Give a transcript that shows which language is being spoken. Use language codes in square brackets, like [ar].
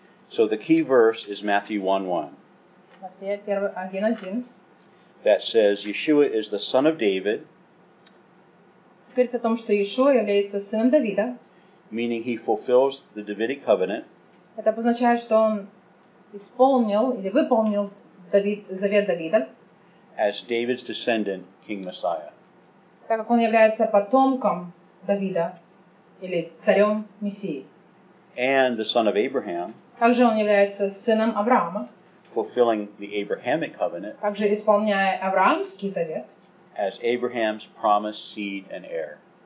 [en] So the key verse is Matthew 1:1. [ru] Матфея, 1:1. [en] That says, Yeshua is the son of David. [ru] Говорит о том, что Иешуа является сыном Давида. [en] Meaning he fulfills the Davidic covenant. [ru] Это обозначает, что он исполнил или выполнил завет Давида. [en] As David's descendant, King Messiah. [ru] Так как он является потомком Давида или царем Мессии. [en] And the son of Abraham. [ru] Также он является сыном Авраама. [en] Fulfilling the Abrahamic covenant. [ru] Также исполняя Авраамский завет. [en] As Abraham's promised seed and heir.